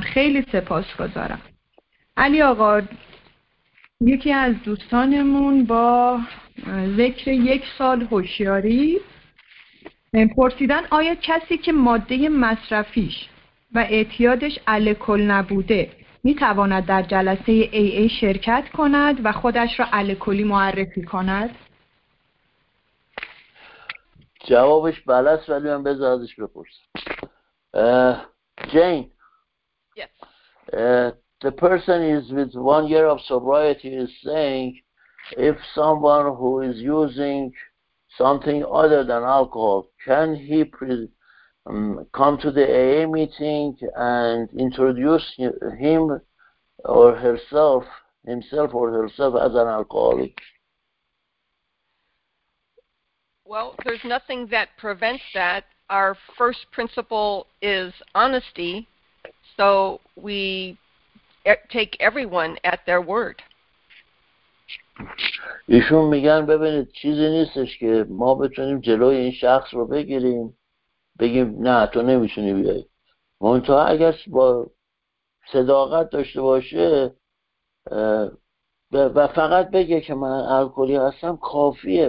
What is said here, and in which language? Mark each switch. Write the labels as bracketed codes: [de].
[fa] خیلی سپاسگزارم. علی آقا، یکی از دوستانمون با ذکر یک سال هوشیاری پرسیدن آیا کسی که ماده مصرفیش و اعتیادش الکل نبوده میتواند در جلسه AA شرکت کند و خودش را الکلی معرفی کند؟ جوابش بله است، ولی من بذار ازش بپرسم. جین. [en] Yes. The person is with 1 year of sobriety is saying, if someone who is using something other than alcohol, can he come to the AA meeting and introduce him or herself, himself or herself as an alcoholic? Well, there's nothing that prevents that. Our first principle is honesty, so we take everyone at their word. [fa] ایشون میگن ببینید چیزی نیستش که ما بتونیم جلوی این شخص رو بگیریم بگیم نه تو نمیتونی بیای. منتها اگر با صداقت داشته باشه و فقط بگه که من الکلی هستم کافیه.